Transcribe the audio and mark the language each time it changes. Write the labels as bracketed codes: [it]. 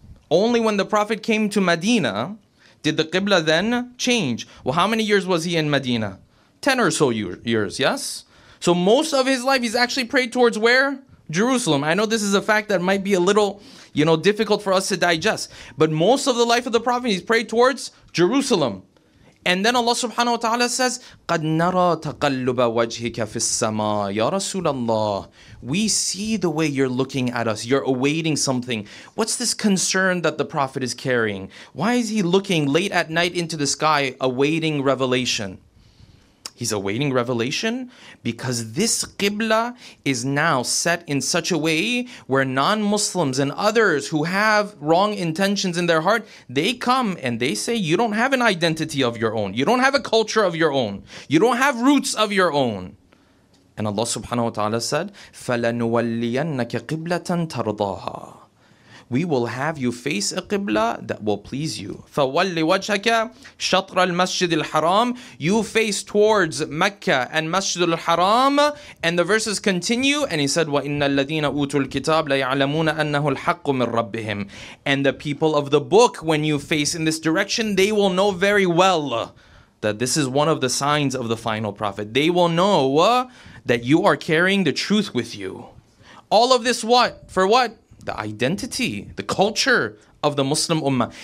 [en] Only when the Prophet came to Medina did the Qibla then change. Well, how many years was he in Medina? 10 or so years, yes? So most of his life he's actually prayed towards where? Jerusalem. I know this is a fact that might be a little, you know, difficult for us to digest. But most of the life of the Prophet, he's prayed towards Jerusalem. And then Allah subhanahu wa ta'ala says, [ar] قَدْ نَرَى تَقَلُّبَ وَجْهِكَ فِي السَّمَاءِ يَا رَسُولَ اللَّهِ. [en] We see the way you're looking at us. You're awaiting something. What's this concern that the Prophet is carrying? Why is he looking late at night into the sky, awaiting revelation? He's awaiting revelation because this Qibla is now set in such a way where non-Muslims and others who have wrong intentions in their heart, they come and they say, you don't have an identity of your own. You don't have a culture of your own. You don't have roots of your own. And Allah subhanahu wa ta'ala said, [ar] فَلَنُوَلِّيَنَّكَ قِبْلَةً تَرْضَاهَا. [en] We will have you face a Qibla that will please you. [ar] فَوَلِّ وَجْهَكَ شَطْرَ الْمَسْجِدِ الْحَرَامِ. [en] You face towards Mecca and Masjid al-Haram. And the verses continue. And he said, [ar] وَإِنَّ الَّذِينَ أُوتُوا الْكِتَابَ لَيَعْلَمُونَ أَنَّهُ الْحَقُّ مِنْ رَبِّهِمْ. [en] And the people of the book, when you face in this direction, they will know very well that that this is one of the signs of the final prophet. They will know that you are carrying the truth with you. All of this what? For what? The identity, the culture of the Muslim Ummah.